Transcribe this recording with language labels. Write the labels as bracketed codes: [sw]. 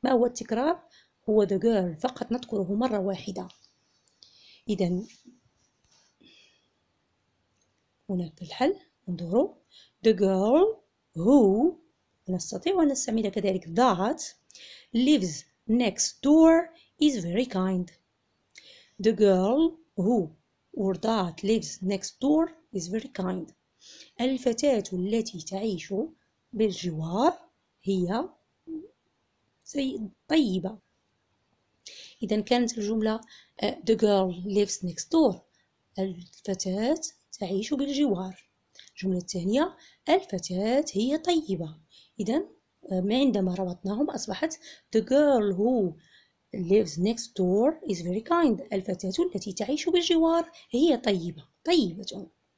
[ar] ما هو التكرار؟ هو [en] The girl، [ar] فقط نذكره مرة واحدة. إذن هناك الحل، انظروا: [en] The girl who، [ar] نستطيع أن نستعمل كذلك [en] that، lives next door is very kind. The girl who or that lives next door is very kind. [ar] الفتاة التي تعيش بالجوار هي طيبة. إذن كانت الجملة [en] The girl lives next door، [ar] الفتاة تعيش بالجوار. الجملة الثانية: الفتاة هي طيبة. إذن عندما ربطناهم أصبحت [en] The girl who lives next door is very kind، [ar] الفتاة التي تعيش بالجوار هي طيبة، طيبة.